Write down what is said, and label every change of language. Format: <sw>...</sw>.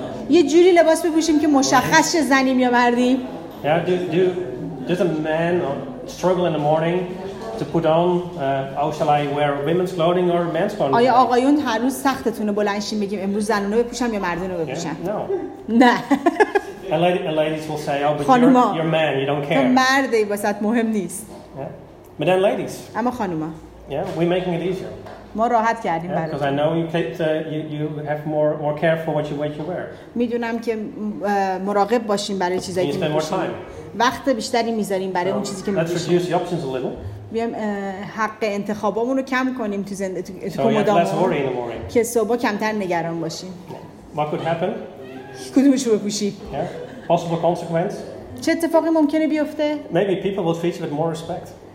<fa>یه جوری لباس بپوشیم که مشخص شه زنیم یا مردیم؟</fa> <en>Yeah, does a man struggle in the morning to put on how shall I wear women's clothing or men's clothing?</en> <fa>آیا آقایون هر روز سختتونه بلند شیم بگیم امروز زنونه بپوشم یا مردونه بپوشم؟ نه.</fa> <en>And ladies will say, "Oh, but you're man. You don't care."</en> <fa>مردی واسات مهم نیست.</fa> <en>Yeah. But then ladies.</en> <fa>اما خانوما.</fa> <en>Yeah, we're making it easier.</en> <fa>ما راحت کردیم برای.</fa> <en>Because I know you you have more care for what you wear.</en> <fa>میدونم که مراقب باشیم برای چیزایی که می‌پوشیم. وقت بیشتری می‌ذاریم برای اون چیزی که می‌پوشیم.</fa> <en>Let's reduce the options a little.</en> <fa>بیام حق انتخابامونو کم کنیم تو زندگی.</fa> <en>So we have less worry in the morning.</en> <fa>که صبح کمتر نگران باشیم.</fa> <en>What could happen?</en> <fa>کدومشو بپوشی؟</fa> <en>Possible consequence.</en> <fa>چه اتفاقی ممکنه بیفته؟</fa> <en>Maybe people will treat you with more respect.</en>